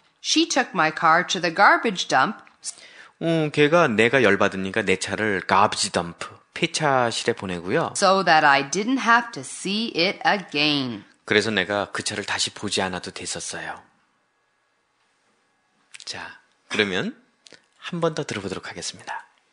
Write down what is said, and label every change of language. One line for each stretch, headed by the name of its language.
English: She took my car to the garbage dump.
Korean: 걔가 내가 열받으니까 내 차를 garbage dump, 폐차실에 보내고요.
English: So that I didn't have to see it again.
Korean: 그래서 내가 그 차를 다시 보지 않아도 됐었어요. 자, 그러면 한 번 더 들어보도록 하겠습니다.